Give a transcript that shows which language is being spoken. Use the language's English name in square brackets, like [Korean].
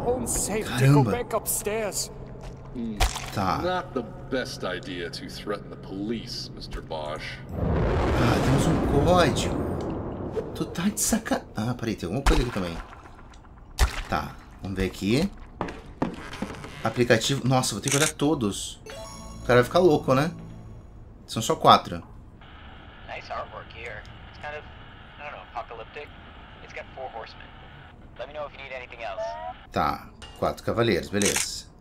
[Portuguese] Ah, temos um código. Tu tá de saca... Ah, peraí, tem alguma coisa aqui também. Tá, vamos ver aqui. Aplicativo. Nossa, vou ter que olhar todos. O cara vai ficar louco, né? São só quatro. [English] Nice artwork here. It's kind of, I don't know, apocalyptic. It's got four horsemen. Let me know if you need anything else. [Portuguese] Tá, quatro cavaleiros, beleza.